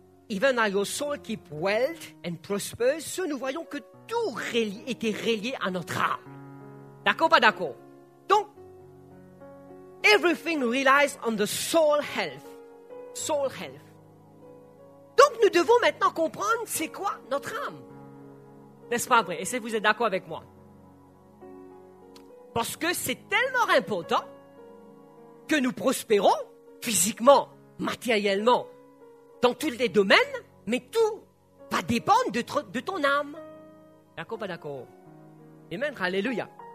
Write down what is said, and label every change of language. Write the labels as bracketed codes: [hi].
[en] Even our soul keep wealth and prosper. [fr] So nous voyons que tout était relié à notre âme. D'accord, pas d'accord? [en] Donc, everything relies on the soul health. Soul health. [fr] Donc, nous devons maintenant comprendre c'est quoi notre âme. N'est-ce pas vrai? Et si vous êtes d'accord avec moi? Parce que c'est tellement important que nous prospérons physiquement, matériellement, dans tous les domaines, mais tout va dépendre de ton âme. D'accord, pas d'accord? Amen, hallelujah.